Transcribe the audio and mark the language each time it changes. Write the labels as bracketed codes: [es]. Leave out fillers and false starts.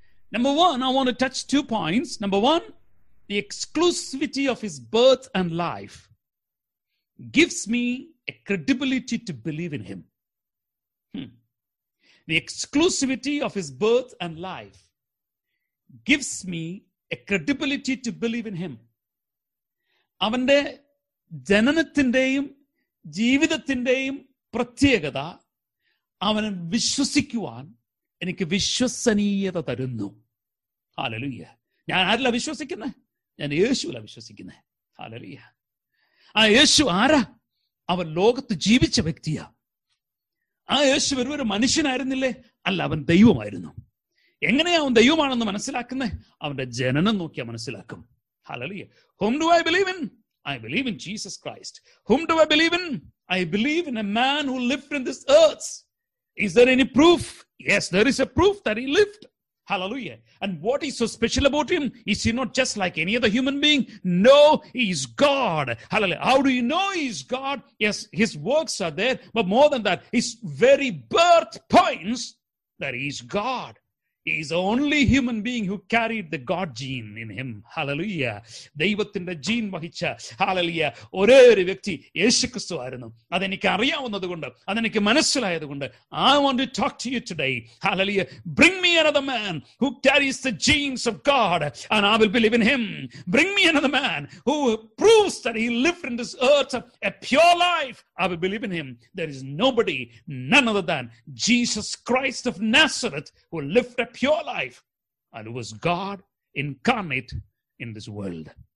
[en] Number one, I want to touch two points. Number one, the exclusivity of His birth and life gives me a credibility to believe in Him. The exclusivity of His birth and life gives me a credibility to believe in Him. [ml] അവന്റെ ജനനത്തിൻ്റെയും ജീവിതത്തിൻ്റെയും പ്രത്യേകത അവനെ വിശ്വസിക്കുവാൻ എനിക്ക് വിശ്വസനീയത തരുന്നു. Hallelujah. ഞാൻ ആരിലാണ് വിശ്വസിക്കുന്നത്? ഞാൻ യേശുവിലാണ് വിശ്വസിക്കുന്നത്. ഹല്ലേലൂയ. ആ യേശു ആരാ? അവൻ ലോകത്ത് ജീവിച്ച വ്യക്തിയാ. ആ യേശു ഒരു മനുഷ്യനായിരുന്നില്ലേ? അല്ല, അവൻ ദൈവമായിരുന്നു. എങ്ങനെയാ അവൻ ദൈവമാണെന്ന് മനസ്സിലാക്കുന്നത്? അവന്റെ ജനനം നോക്കിയാൽ മനസ്സിലാക്കും. [en] Hallelujah. Whom do I believe in? I believe in Jesus Christ. Whom do I believe in? I believe in a man who lived in this earth. Is there any proof? Yes, there is a proof that he lived. Hallelujah. And what is so special about him? Is he not just like any other human being? No, he is God. Hallelujah. How do you know he is God? Yes, his works are there. But more than that, his very birth points that he is God. He is the only human being who carried the God gene in him. Hallelujah. [ml] ദൈവത്തിന്റെ gene വഹിച്ച, hallelujah, ഒരേ ഒരു വ്യക്തി യേശുക്രിസ്തു ആയിരുന്നു. അതെനിക്ക് അറിയാവുന്നത് കൊണ്ട്, അതെനിക്ക് മനസ്സിലായത് കൊണ്ട്, [en] I want to talk to you today. Hallelujah. Bring me another man who carries the genes of God and I will believe in him. Bring me another man who proves that he lived in this earth a pure life. I will believe in him. There is nobody, none other than Jesus Christ of Nazareth, who lived a pure life and who was God incarnate in this world.